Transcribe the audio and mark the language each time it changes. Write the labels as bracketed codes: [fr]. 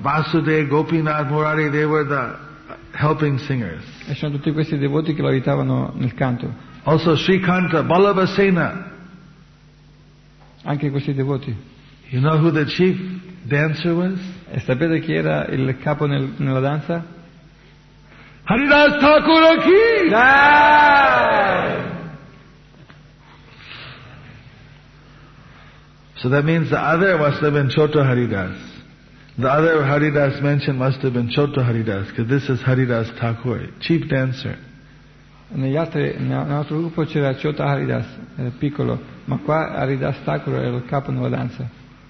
[en] Vasudev, Gopinath, Murari, they were the helping singers. [it] E sono tutti questi devoti che lo aiutavano nel canto. [en] Also Srikanta, Balabhasena. [it] Anche questi devoti. [en] You know who the chief dancer was? [it] E sapete chi era il capo nella danza? [hi] Haridas Thakur ki jai. [en] So that means the other must have been Chhoto Haridas. The other Haridas mentioned must have been Chhoto Haridas, because this is Haridas Thakur, chief dancer. [it] Nell'altro gruppo c'era Chhoto Haridas, piccolo, ma qua Haridas Thakur era il capo nella danza.